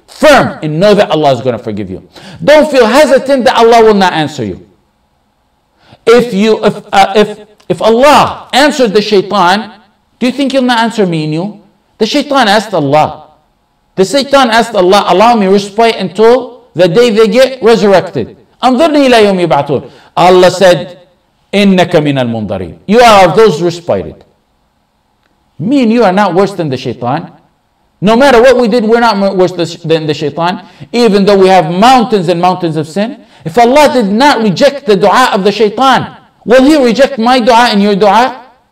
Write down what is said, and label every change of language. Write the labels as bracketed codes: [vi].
[en] Firm and know that Allah is going to forgive you. Don't feel hesitant that Allah will not answer you. If Allah answered the shaitan, do you think he'll not answer me and you? The shaitan asked Allah. The shaitan asked Allah, allow me respite until the day they get resurrected. [ar] أَنظِرْنِي إِلَى يَوْمِ يُبْعَثُونَ. Allah said, إِنَّكَ مِنَ الْمُنْظَرِينَ. [en] You are of those respited. Me and you are not worse than the shaitan. No matter what we did, we're not worse than the shaitan. Even though we have mountains and mountains of sin. If Allah did not reject the dua of the shaitan, will He reject my dua and your dua?